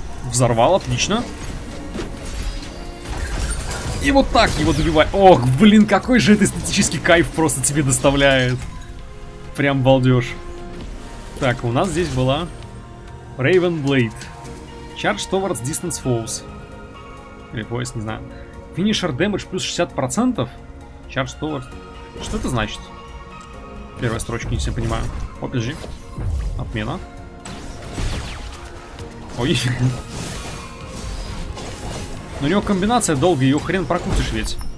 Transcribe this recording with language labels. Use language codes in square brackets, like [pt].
[ru] Взорвал, отлично. И вот так его добивай. Ох, блин, какой же это эстетический кайф просто тебе доставляет. Прям балдеж. Так, у нас здесь была Raven Blade. [en] Charge towards distance foes. [ru] Или поезд, не знаю. [en] Finisher damage плюс 60%. Charge towards... [ru] Что это значит? Первая строчка, не все понимаю. Опять же. Отмена. Ой. Но у него комбинация долгая, ее хрен прокрутишь ведь.